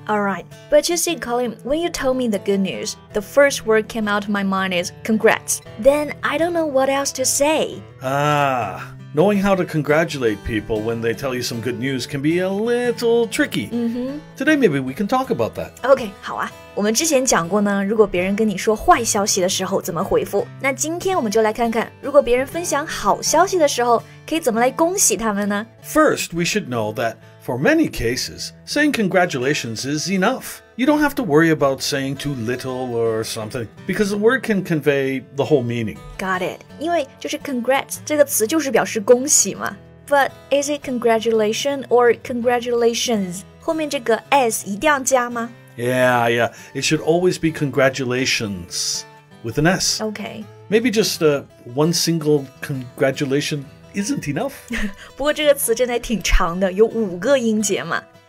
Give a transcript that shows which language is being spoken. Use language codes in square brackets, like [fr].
[en] Alright, but you see, Colin, when you told me the good news, the first word came out of my mind is congrats. Then I don't know what else to say. Ah, knowing how to congratulate people when they tell you some good news can be a little tricky. Mm-hmm. Today maybe we can talk about that. [zh] Okay, 好啊。我们之前讲过呢，如果别人跟你说坏消息的时候怎么回复。那今天我们就来看看，如果别人分享好消息的时候，可以怎么来恭喜他们呢？ [en] First, we should know that for many cases, saying congratulations is enough. You don't have to worry about saying too little or something, because the word can convey the whole meaning. Got it. [zh] 因为就是 congrats 这个词就是表示恭喜嘛。 [en] But is it congratulation or congratulations? [zh] 后面这个 s 一定要加吗？ [en] Yeah, it should always be congratulations with an S. Okay. Maybe just one single congratulation isn't enough. [zh] 不过这个词真的挺长的，有五个音节嘛。